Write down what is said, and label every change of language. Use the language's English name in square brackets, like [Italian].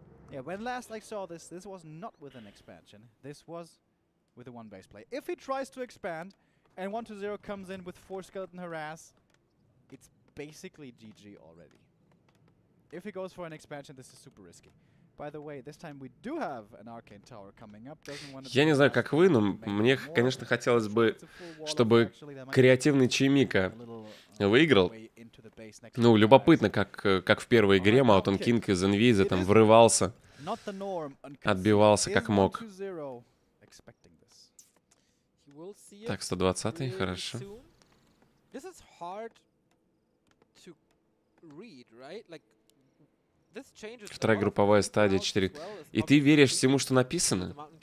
[English] Yeah, when last I saw this, this was not with an expansion. This was with a one base play. If he tries to expand and 1-2-0 comes in with 4 skeleton harass, it's basically GG already. If he goes for an expansion, this is super risky. By the way, this time we do have an arcane tower coming up. [Russian] Я не знаю, как вы, но мне, конечно, хотелось бы, чтобы креативный Чеймика выиграл. Ну, любопытно, как в первой игре Mountain King из Инвиза там врывался, отбивался как мог. [English] expecting this. He will see it. [Russian] Так, 120-й, хорошо. [English] This is hard to read, right? Like, this changes. [Russian] Вторая групповая стадия 4. И ты веришь всему, что написано?